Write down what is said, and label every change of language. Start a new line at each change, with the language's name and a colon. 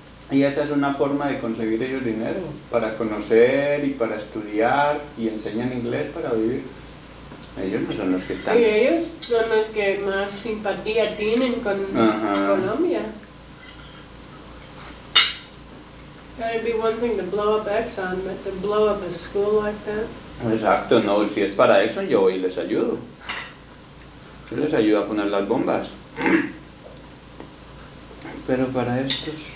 Spanish: Y esa es una forma de conseguir ellos dinero, para conocer y para estudiar, y enseñan inglés para vivir. Ellos no son los que están. Y ellos son los que más simpatía tienen con Colombia.
English: It'd be one thing to blow up Exxon, but to blow up a school like that.
Spanish: Exacto, no, si es para Exxon, yo voy y les ayudo. Yo les ayudo a poner las bombas. Pero para estos...